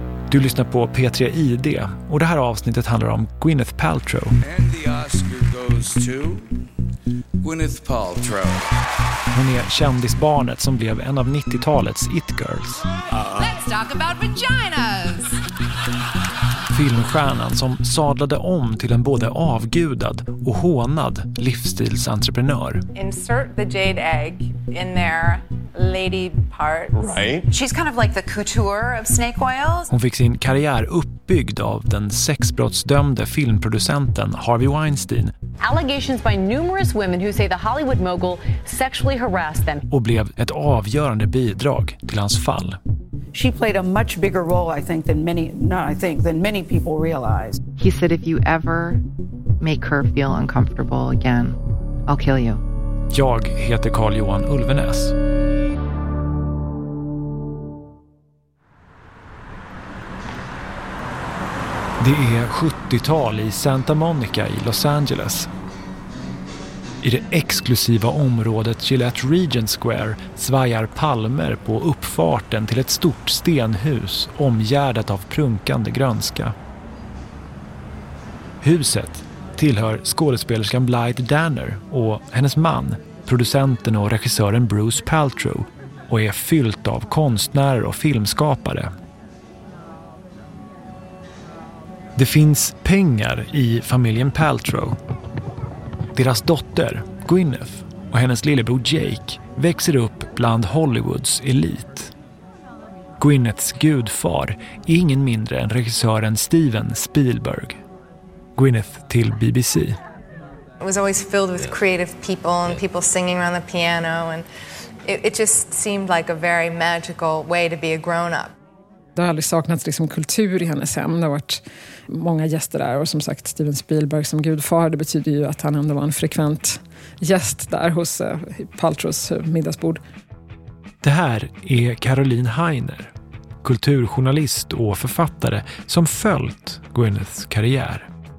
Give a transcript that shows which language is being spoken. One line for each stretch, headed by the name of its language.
Swedish: Du lyssnar på P3 ID och det här avsnittet handlar om Gwyneth Paltrow.
English: And the Oscar goes to Gwyneth Paltrow.
Swedish: Hon är kändisbarnet som blev en av 90-talets it-girls.
English: Let's talk about vaginas!
Swedish: Filmstjärnan som sadlade om till en både avgudad och hånad livsstilsentreprenör.
English: Insert the jade egg in there. Lady parts. Right. She's kind of like the couture of snake oils.
Swedish: Hon fick sin karriär uppbyggd av den sexbrottsdömde filmproducenten Harvey Weinstein.
English: Allegations by numerous women who say the Hollywood mogul sexually harassed them.
Swedish: Och blev ett avgörande bidrag till hans fall.
English: She played a much bigger role, I think, than many people realize. He said if you ever make her feel uncomfortable again, I'll kill you.
Swedish: Jag heter Carl Johan Ulvenäs. Det är 70-tal i Santa Monica i Los Angeles. I det exklusiva området Gillette Regent Square svajar palmer på uppfarten till ett stort stenhus omgärdat av prunkande grönska. Huset tillhör skådespelerskan Blythe Danner och hennes man, producenten och regissören Bruce Paltrow, och är fyllt av konstnärer och filmskapare. Det finns pengar i familjen Paltrow. Deras dotter, Gwyneth, och hennes lillebror Jake växer upp bland Hollywoods elit. Gwyneths gudfar är ingen mindre än regissören Steven Spielberg. Gwyneth till BBC.
English: It was always filled with creative people and people singing around the piano and it just seemed like a very magical way to be a grown up.
Swedish: Det har aldrig saknats liksom kultur i hennes hem. Det har varit många gäster där. Och som sagt, Steven Spielberg som gudfar, det betyder ju att han ändå var en frekvent gäst där hos Paltrows middagsbord. Det här är Caroline Heiner, kulturjournalist och författare som följt Gwyneths karriär.